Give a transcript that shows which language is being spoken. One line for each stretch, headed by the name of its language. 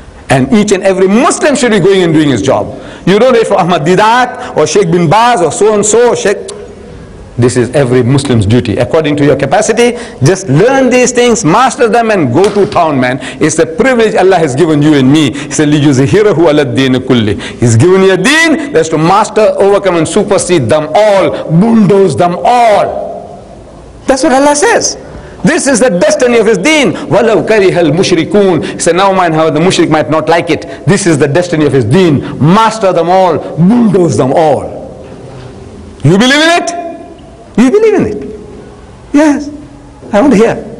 English: And each and every Muslim should be going and doing his job. You don't wait for Ahmad Didat or Sheikh bin Baz or so and so, Sheikh. This is every Muslim's duty. According to your capacity, just learn these things, master them and go to town, man. It's a privilege Allah has given you and me. He said,
Arabic: لِيُزِهِرَهُ عَلَى الدِّينِ كُلِّ.
English: He's given you a deen that's to master, overcome and supersede them all, bulldoze them all. That's what Allah says. This is the destiny of his deen.
Arabic: وَلَوْ كَرِهَ الْمُشْرِكُونَ.
English: He said, now mind how the mushrik might not like it. This is the destiny of his deen. Master them all. Bulldoze them all. You believe in it? You believe in it? Yes. I want to hear.